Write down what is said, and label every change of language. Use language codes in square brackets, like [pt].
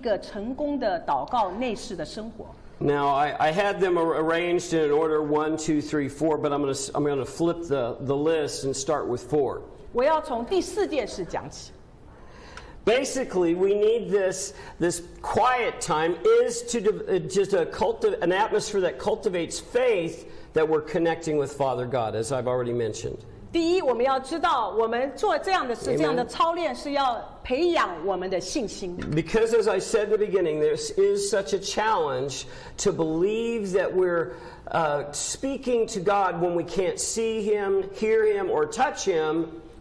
[zh] 在这里马太六章六节有四件事教导我们怎么样建立一个成功的祷告内室的生活。 [en] Now I had them arranged in an order 1, 2, 3, 4, but I'm gonna flip the list and start with 4. [zh] 我要从第四件事讲起。 [en] Basically, we need this quiet time is to just a an atmosphere that cultivates faith that we're connecting with Father God, as I've already mentioned. [zh] 第一,我们要知道我们做这样的事,这样的操练是要培养我们的信心。 [en] Because as I said in the beginning, there is such a challenge to believe that we're speaking to God when we can't see Him, hear Him, or touch Him.